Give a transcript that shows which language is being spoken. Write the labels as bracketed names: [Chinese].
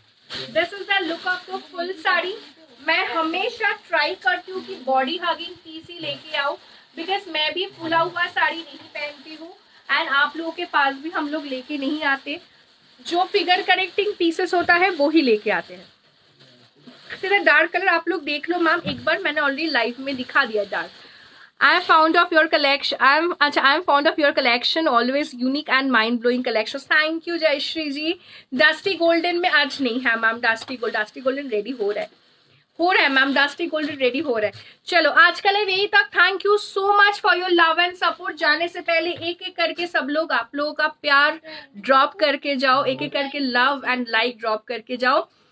[English] this is the look of the full [Hindi] sari. मैं हमेशा try करती हूँ कि बॉडी हगिंग पीस ही लेके आओ, बिकॉज मैं भी फुला हुआ साड़ी नहीं पहनती हूँ एंड आप लोगों के पास भी हम लोग लेके नहीं आते, जो फिगर कनेक्टिंग पीसेस होता है वो ही लेके आते हैं। फिर डार्क कलर आप लोग देख लो मैम, एक बार मैंने ऑलरेडी लाइव में दिखा दिया dark. [English] I am fond of your collection, always unique and mind-blowing collection. Thank you, Jayashree ji. [Hindi] Dusty Golden में आज नहीं है मैम, Dusty Golden रेडी हो रहा है, मैम Dusty Golden रेडी हो रहा है। चलो आज कल यही तक, [English] Thank you so much for your love and support. [Hindi] जाने से पहले एक एक करके सब लोग आप लोगों का प्यार ड्रॉप करके जाओ, एक एक करके लव एंड लाइक ड्रॉप करके जाओ।